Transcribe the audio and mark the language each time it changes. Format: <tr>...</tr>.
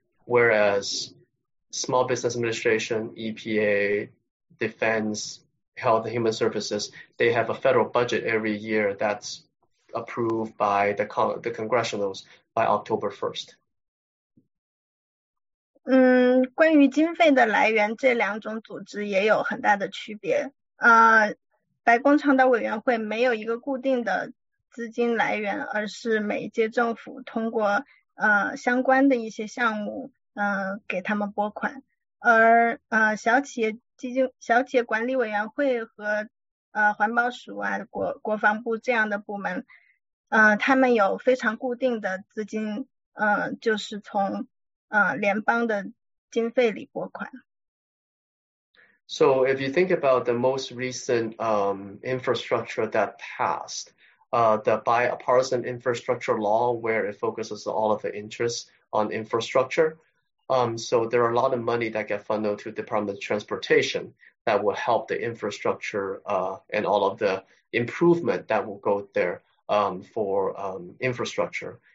<en>Whereas Small Business Administration, EPA, Defense, Health and Human Services, they have a federal budget every year that's approved by the congressionals by October 1st.</en> <zh>关于经费的来源，这两种组织也有很大的区别。白宫倡导委员会没有一个固定的资金来源，而是每一届政府通过相关的一些项目给他们拨款。而小企业管理委员会和环保署啊、国防部这样的部门，他们有非常固定的资金，就是从联邦的经费里拨款。</zh> <en>So if you think about the most recent infrastructure that passed, the bipartisan infrastructure law, where it focuses all of the interests on infrastructure, so there are a lot of money that get funneled to the Department of Transportation that will help the infrastructure and all of the improvement that will go there for infrastructure.</en>